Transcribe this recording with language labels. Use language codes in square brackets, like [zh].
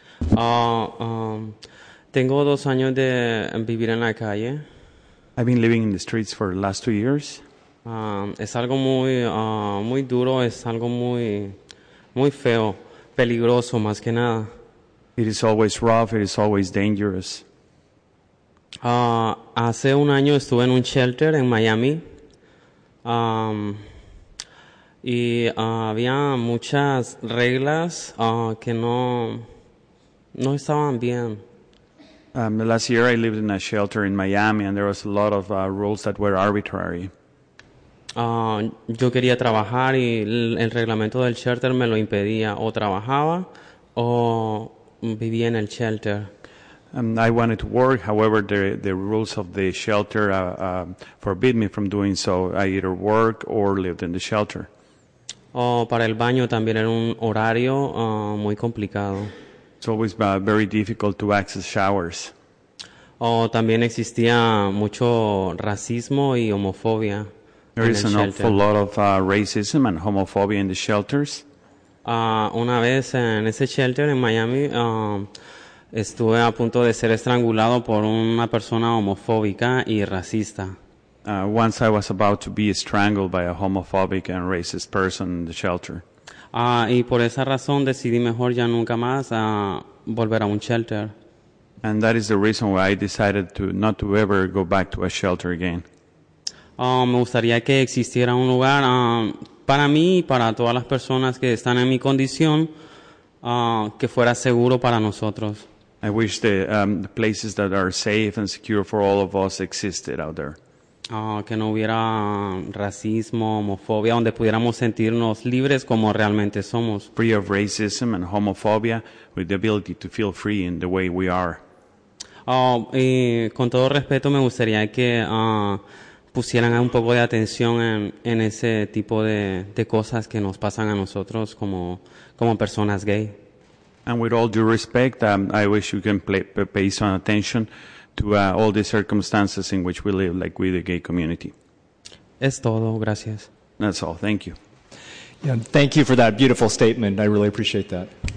[es] Tengo dos años de vivir en la calle. [en] I've been living in the streets for the last 2 years. [es] Es algo muy muy duro, es algo muy muy feo, peligroso más que nada. [en] It is always rough, it is always dangerous. [es] Hace un año estuve en un shelter en Miami. Y había muchas reglas que no... No estaban bien. [en] Last year I lived in a shelter in Miami and there was a lot of rules that were arbitrary. [es] Yo quería trabajar y el reglamento del shelter me lo impedía. O trabajaba o vivía en el shelter. [en] I wanted to work, however the rules of the shelter forbid me from doing so. I either work or lived in the shelter. [es] Para el baño también era un horario muy complicado. [en] It's always very difficult to access showers. [es] También existía mucho racismo y homofobia. [en] There is an awful lot of racism and homophobia in the shelters. [es] Una vez en ese shelter en Miami, estuve a punto de ser estrangulado por una persona homofóbica y racista. [en] Once I was about to be strangled by a homophobic and racist person in the shelter. [es] Y por esa razón decidí mejor ya nunca más volver a un shelter. [en] And that is the reason why I decided to not to ever go back to a shelter again. [es] Me gustaría que existiera un lugar para mí y para todas las personas que están en mi condición que fuera seguro para nosotros. [en] I wish the places that are safe and secure for all of us existed out there. [es] Que no hubiera racismo, homofobia, donde pudiéramos sentirnos libres como realmente somos. [en] Free of racism and homophobia, with the ability to feel free in the way we are. [es] Y con todo respeto, me gustaría que pusieran un poco de atención en ese tipo de cosas que nos pasan a nosotros como personas gay. [en] And with all due respect, I wish you can pay some attention to all the circumstances in which we live, like we, the gay community. [es] Es todo, gracias. [en] That's all. Thank you. Yeah, thank you for that beautiful statement. I really appreciate that.